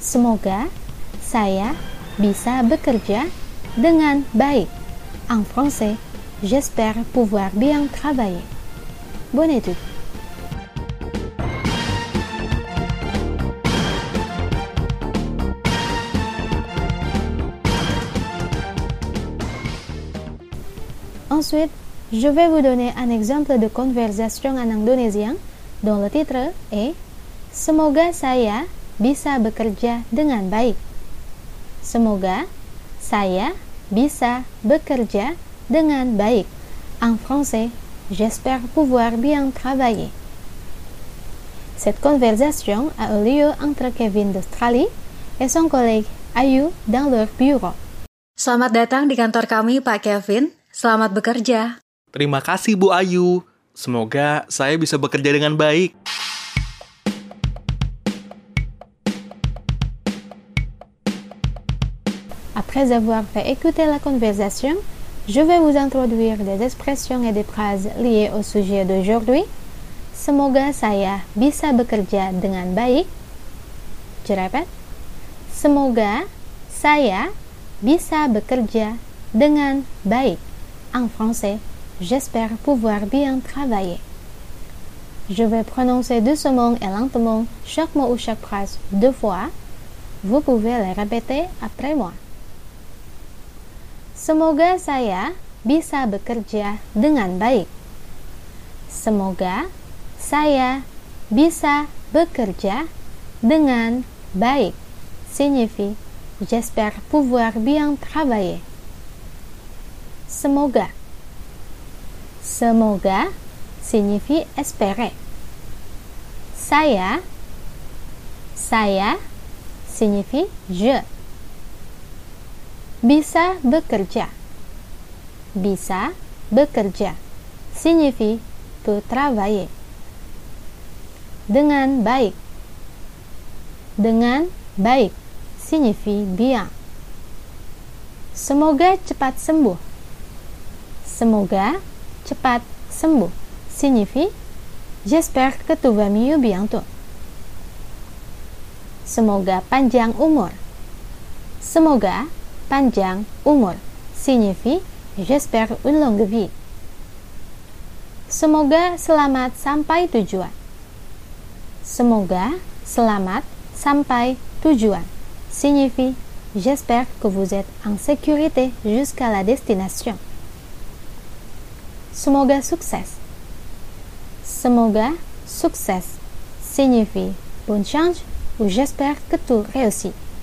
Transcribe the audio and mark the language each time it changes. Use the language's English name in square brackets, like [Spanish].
[Indonesian] Semoga saya bisa bekerja dengan baik. [French] En français, j'espère pouvoir bien travailler. Bonne étude. Ensuite, je vais vous donner un exemple de conversation en indonésien dont le titre est [Indonesian] Semoga saya bisa bekerja dengan baik. Semoga saya bisa bekerja dengan baik. [French] En français, j'espère pouvoir bien travailler. Cette conversation a eu lieu entre Kevin d'Australie et son collègue Ayu dans leur bureau. [Indonesian] Selamat datang di kantor kami, Pak Kevin. Selamat bekerja. Terima kasih, Bu Ayu. Semoga saya bisa bekerja dengan baik. [French] Après avoir fait écouter la conversation, je vais vous introduire des expressions et des phrases liées au sujet d'aujourd'hui. [Indonesian] Semoga saya bisa bekerja dengan baik. [French] Je répète. [Indonesian] Semoga saya bisa bekerja dengan baik. [French] En français, j'espère pouvoir bien travailler. Je vais prononcer doucement et lentement chaque mot ou chaque phrase deux fois. Vous pouvez les répéter après moi. [Indonesian] Semoga saya bisa bekerja dengan baik. Semoga saya bisa bekerja dengan baik. [French] Signifie, j'espère pouvoir bien travailler. [Indonesian] Semoga. Semoga [French] signifie espérer. [Indonesian] Saya. Saya [French] signifie je. [Indonesian] Bisa bekerja. Bisa bekerja [French] signifie peut travailler. [Indonesian] Dengan baik. Dengan baik [French] signifie bien. [Indonesian] Semoga cepat sembuh. Semoga cepat sembuh [French] signifie j'espère que tout va mieux bientôt. [Indonesian] Semoga panjang umur. Semoga panjang umur [French] signifie j'espère une longue vie. [Indonesian] Semoga selamat sampai tujuan. Semoga selamat sampai tujuan [French] signifie j'espère que vous êtes en sécurité jusqu'à la destination. [Indonesian] Semoga sukses. Semoga sukses [French] signifie bonne chance ou j'espère que tout réussit.